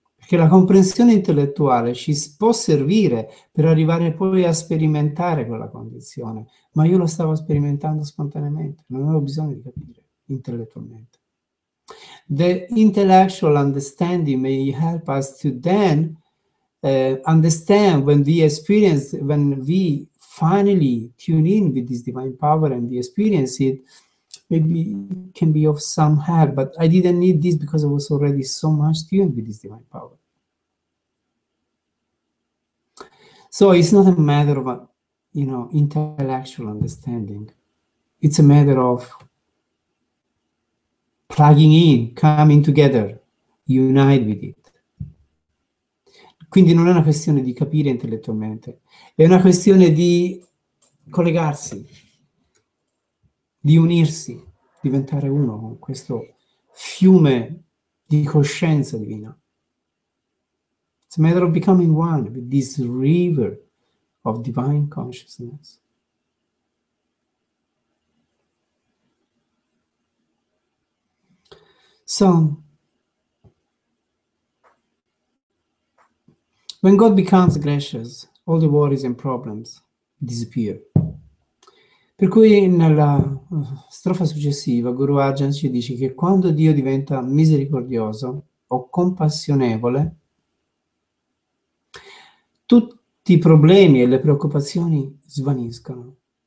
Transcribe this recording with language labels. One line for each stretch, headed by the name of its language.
Italian: Che la comprensione intellettuale ci può servire per arrivare poi a sperimentare quella condizione, ma io lo stavo sperimentando spontaneamente, non avevo bisogno di capire intellettualmente.
English: The intellectual understanding may help us to then understand when we experience, when we finally tune in with this divine power and we experience it, maybe it can be of some help, but I didn't need this because I was already so much tuned with this divine power. So it's not a matter of, you know, intellectual understanding. It's a matter of plugging in, coming together, unite with it.
Italian: Quindi non è una questione di capire intellettualmente, è una questione di collegarsi, di unirsi, diventare uno con questo fiume di coscienza divina.
English: It's a matter of becoming one with this river of divine consciousness. So, when God becomes gracious, all the worries and problems disappear.
Italian: Per cui nella strofa successiva, Guru Arjan ci dice che quando Dio diventa misericordioso o compassionevole, tutti i problemi e le preoccupazioni svaniscono.